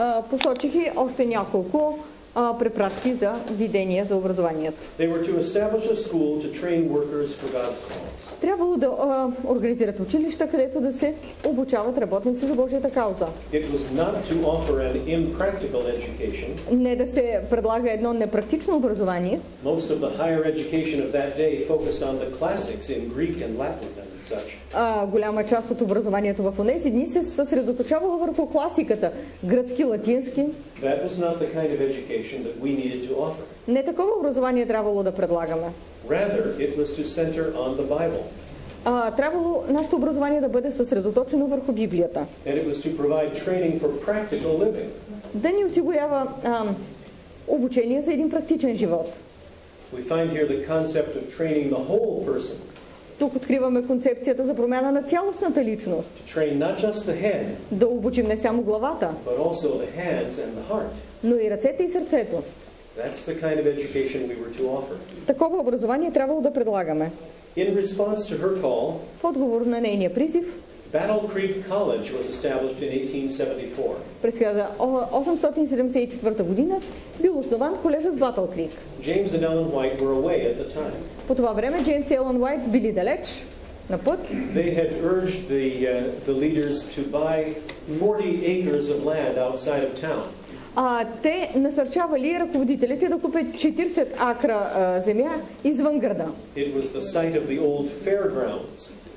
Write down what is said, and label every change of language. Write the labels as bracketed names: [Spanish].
[Bulgarian] Посочих и още няколко препратки за видения за образованието. [English] They were to establish a school to train workers for God's cause. [Bulgarian] Трябвало да организират училища, където да се обучават работници за Божията кауза. [English] It was not to offer an impractical education. [Bulgarian] Не да се предлага едно непрактично образование. [English] Most of the higher education of that day focused on the classics in Greek and Latin and such. [Bulgarian] Голяма част от образованието в онези дни се съсредоточавало върху класиката, гръцки, латински. [English] That was not the kind of education that we needed to offer. [Bulgarian] Не такова образование трябвало да предлагаме. [English] Rather, it was to center on the Bible. [Bulgarian] Трябвало нашето образование да бъде съсредоточено върху Библията. [English] And it was to provide training for practical living. [Bulgarian] Да ни осигурява обучение за един практичен живот. [English] We find here the concept of training the whole person. [Bulgarian] Тук откриваме концепцията за промяна на цялостната личност. [English] Train not just the head, [Bulgarian] да обучим не само главата, [English] but also the hands and the heart. [Bulgarian] Но и ръцете и сърцето. [English] That's the kind of education we were to offer. [Bulgarian] Такова образование трябвало да предлагаме. [English] In response to her call, [Bulgarian] в отговор на нейния призив, [English] Battle Creek College was established in 1874. [Bulgarian] През 1874 година бил основан колежът в Battle Creek. [English] James and Ellen White were away at the time. [Bulgarian] По това време Джеймс и Елън Уайт били далеч на път. [English] They had urged the leaders to buy 40 acres of land outside of town. [Bulgarian] Те насърчавали ръководителите да купят 40 акра земя извън града. [English] It was the site of the old fairgrounds.